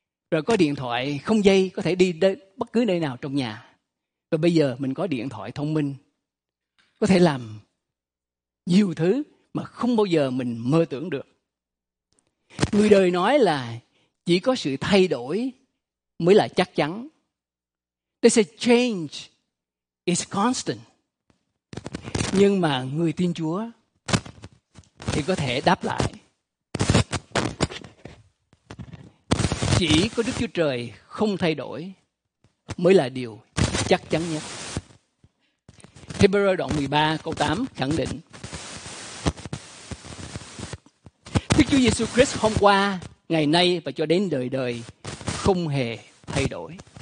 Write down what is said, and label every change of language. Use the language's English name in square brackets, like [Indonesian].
[Vietnamese] Rồi có điện thoại không dây, có thể đi bất cứ nơi nào trong nhà. Rồi bây giờ mình có điện thoại thông minh, có thể làm nhiều thứ mà không bao giờ mình mơ tưởng được. Người đời nói là chỉ có sự thay đổi mới là chắc chắn. [English] They say change is constant. [Vietnamese] Nhưng mà người tin Chúa thì có thể đáp lại, chỉ có Đức Chúa Trời không thay đổi mới là điều chắc chắn nhất. Hebrews đoạn 13 câu 8 khẳng định: Đức Chúa Giêsu Christ hôm qua, ngày nay và cho đến đời đời không hề thay đổi.